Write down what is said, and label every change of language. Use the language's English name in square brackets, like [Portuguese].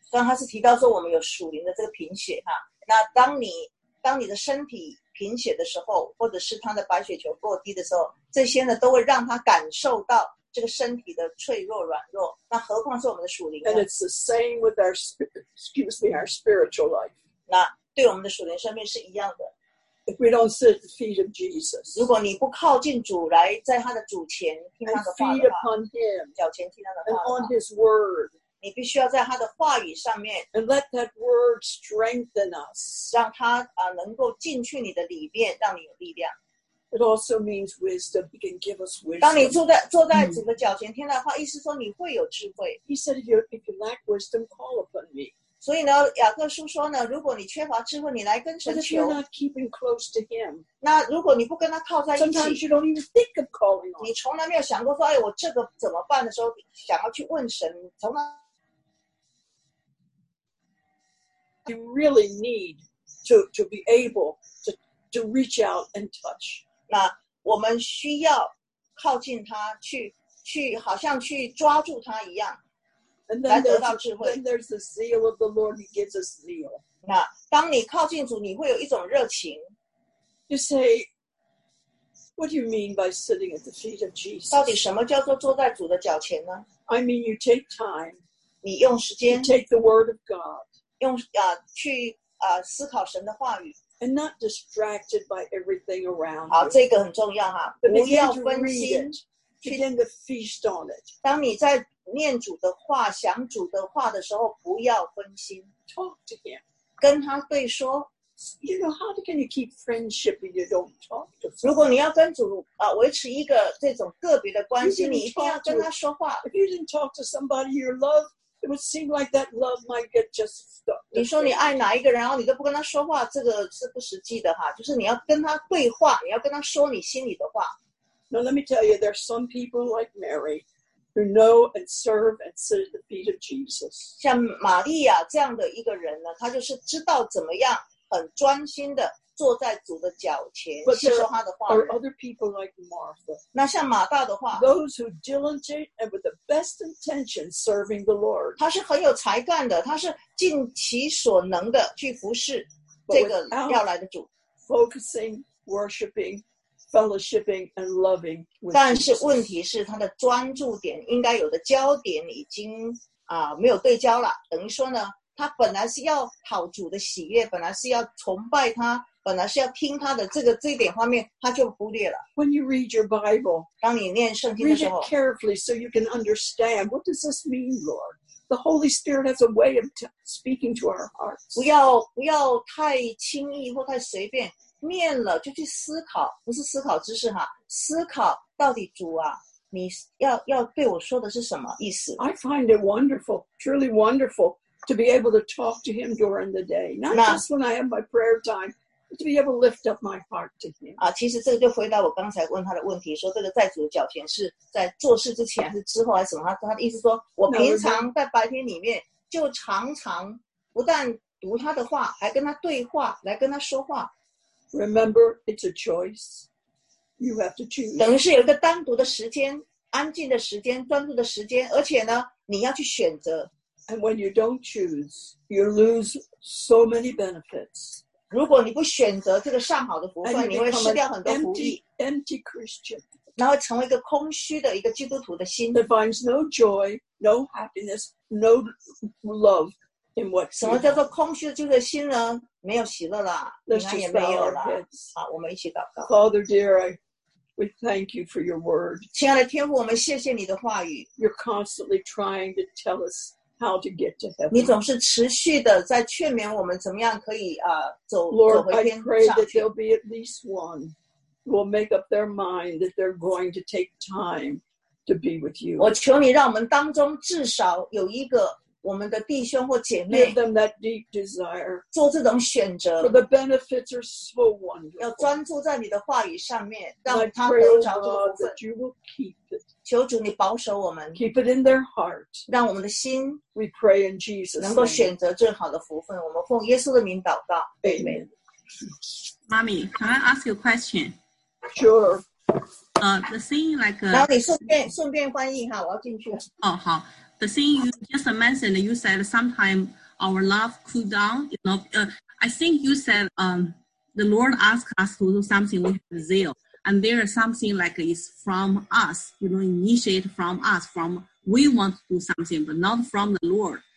[Chinese] 刚才是提到说我们有属灵的这个贫血哈，那当你的身体贫血的时候，或者是他的白血球过低的时候，这些呢都会让他感受到这个身体的脆弱软弱。那何况是我们的属灵 [English] ？And it's the same with our our spiritual life. [Chinese] 那对我们的属灵生命是一样的。 [English] If we don't sit at the feet of Jesus, [Chinese] 如果你不靠近主来在他的主前听他的话的话 [English] feed upon him, [Chinese] 脚前听他的话 [English] and on his word, [Chinese] 你必须要在他的话语上面 [English] and let that word strengthen us, [Chinese] 让他能够进去你的里面，让你有力量。 [English] It also means wisdom. He can give us wisdom. [Chinese] 当你坐在主的脚前听他的话，意思说你会有智慧。 [English] He said, "If you lack wisdom, call upon me." [Chinese] 所以呢，雅各书说呢，如果你缺乏智慧，你来跟神求。 [English] But if you're not keeping close to him, [Chinese] 那如果你不跟他靠在一起 [English] ，Sometimes you don't even think of calling. [Chinese] 你从来没有想过说，哎，我这个怎么办的时候，想要去问神，从来。 [English] You really need to be able to reach out and touch. [Chinese] 那我们需要靠近他，去好像去抓住他一样。 [English] And then there's the zeal of the Lord. He gives us zeal. [Chinese] 那当你靠近主，你会有一种热情。 [English] You say, "What do you mean by sitting at the feet of Jesus?" [Chinese] 到底什么叫做坐在主的脚前呢 [English] ？I mean, you take time. [Chinese] 你用时间。 [English] You take the Word of God. [Chinese] 用去思考神的话语。 [English] And not distracted by everything around. [Chinese] 好，这个很重要哈，不要分心。 [English] Begin to feast on it. [Chinese] 当你在念主的话、想主的话的时候，不要分心。 [English] Talk to him. [Chinese] 跟他对说。 [English] you know, how can you keep friendship if you don't talk to someone? [Chinese] 如果你要跟主维持一个这种个别的关系，你一定要跟他说话。 [English] If you didn't talk to somebody, your love, it would seem like that love might get just stuck. [Chinese] 你说你爱哪一个人，然后你都不跟他说话，这个是不实际的哈。就是你要跟他对话，你要跟他说你心里的话。 [English] Now let me tell you, there are some people like Mary. Who know and serve and sit at the feet of Jesus. [Chinese] 像玛利亚这样的一个人呢，他就是知道怎么样很专心的坐在主的脚前，细说他的话。 [English] But there are other people like Martha. [Chinese] 那像马大的话 [English] ，those who diligent and with the best intention serving the Lord. [Chinese] 他是很有才干的，他是尽其所能的去服侍这个要来的主。 [English] Focusing, worshiping. Fellowshipping and loving, [Chinese] 但是问题是他的专注点应该有的焦点已经没有对焦了。等于说呢，他本来是要讨主的喜悦，本来是要崇拜他，本来是要听他的这一点方面，他就忽略了。 [English] When you read your Bible, [Chinese] 当你念圣经的时候 [English] ，read it carefully so you can understand what does this mean, Lord. The Holy Spirit has a way of speaking to our hearts. [Chinese] 不要太轻易或太随便。念了就去思考，不是思考知识哈，思考到底主啊，你要对我说的是什么意思 [English] ？I find it wonderful, truly wonderful, to be able to talk to Him during the day, not just when I have my prayer time, but to be able to lift up my heart to Him. [Chinese] 啊，其实这个就回答我刚才问他的问题，说这个在主的脚前是在做事之前还是之后还是什么？他的意思说我平常在白天里面就常常不但读他的话，还跟他对话，来跟他说话。 [English] Remember, it's a choice. You have to choose. [Chinese] 等于是有一个单独的时间，安静的时间，专注的时间，而且呢，你要去选择。 [English] And when you don't choose, you lose so many benefits. [Chinese] 如果你不选择这个上好的福分，你会失掉很多福利。 [English] Empty Christian. [Chinese] 然后成为一个空虚的一个基督徒的心。 [English] That finds no joy, no happiness, no love. [Chinese] 什么叫做空虚的就是心呢？没有喜乐了，平安也没有了。好，我们一起祷告。 [English] Father dear, we thank you for your word. [Chinese] 亲爱的天父，我们谢谢你的话语。 [English] You're constantly trying to tell us how to get to heaven. [Chinese] 你总是持续的在劝勉我们怎么样可以走回天上去。 [English] Lord, I pray that there'll be at least one who will make up their mind that they're going to take time to be with you. [Chinese] 我求你让我们当中至少有一个。我们的弟兄或姐妹 [English] Give them that deep desire, [Chinese] 做这种选择 [English] for the benefits are so wonderful. [Chinese] 要专注在你的话语上面让他得着这个部分 [English] that you will keep it. [Chinese] 求主你保守我们 [English] keep it in their heart. [Chinese] 让我们的心 [English] we pray in Jesus' [Chinese] 能够选择最好的福分我们奉耶稣的名祷告 [English] Amen. Mommy, can I ask you a question? Sure. The thing like a. [Chinese] 然后你顺便翻译哈，我要进去了。哦，好。 [English] The thing you just mentioned, you said sometime our love cool down. You know, I think you said the Lord asks us to do something with zeal, and there is something like it's from us. You know, initiate from us, from we want to do something, but not from the Lord.